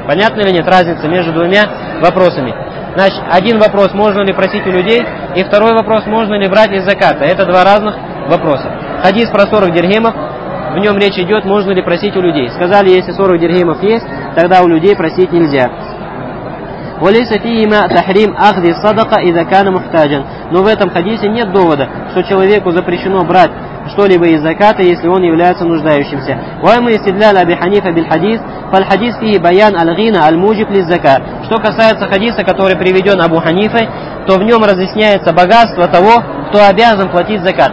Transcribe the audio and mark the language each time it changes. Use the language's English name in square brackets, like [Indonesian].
[Russian] Понятно ли нет разница между двумя вопросами? Значит, один вопрос, можно ли просить у людей, и второй вопрос, можно ли брать из заката. Это два разных вопроса. Хадис про 40 дирхемов, в нем речь идет, можно ли просить у людей. Сказали, если 40 дирхемов есть, тогда у людей просить нельзя. [Arabic] وليس فيهما تحريم أخذ الصدقة إذا كان محتاجاً. [Russian] Но в этом хадисе нет довода, что человеку запрещено брать что-либо из заката, если он является нуждающимся. [Arabic] وَمَا يَسْتَدْلَلُ أَبِي حَنِيفَةَ بِالْحَدِيثِ فَالْحَدِيثُ فِيهِ بَيَانُ الْغِنَى الْمُوجِبِ لِلزَّكَاةِ. [Russian] Что касается хадиса, который приведен Абу Ханифой, то в нем разъясняется богатство того, кто обязан платить закат.